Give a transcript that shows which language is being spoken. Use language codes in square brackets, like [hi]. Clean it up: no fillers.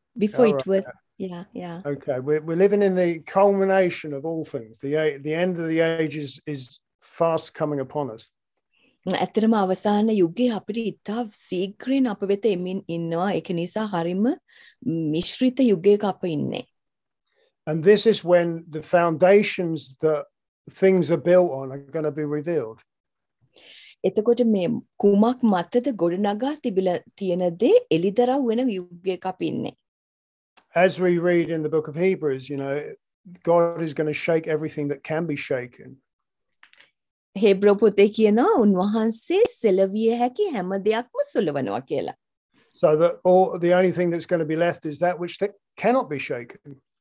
[en] Before right. It was yeah. Okay, we're living in the culmination of all things. The end of the age is fast coming upon us. [si] ඇත්තම අවසාන යුගයේ අපිට ඉතා සීඝ්‍රයෙන් අප වෙත එමින් ඉන්නවා. ඒක නිසා හරිම මිශ්‍රිත යුගයක අප ඉන්නේ. [en] And this is when the foundations that things are built on are going to be revealed. [si] එතකොට මේ කුමක් මතද ගොඩනගා තිබිලා තියෙන දේ එලිදරව් වෙන යුගයක අපි ඉන්නේ. [en] As we read in the book of Hebrews, you know, God is going to shake everything that can be shaken. [si] හෙබ්‍රෝ පොතේ කියනවා උන්වහන්සේ සෙලවිය හැකි හැම දෙයක්ම සුලවනවා කියලා. [en] So the only thing that's going to be left is that which cannot be shaken.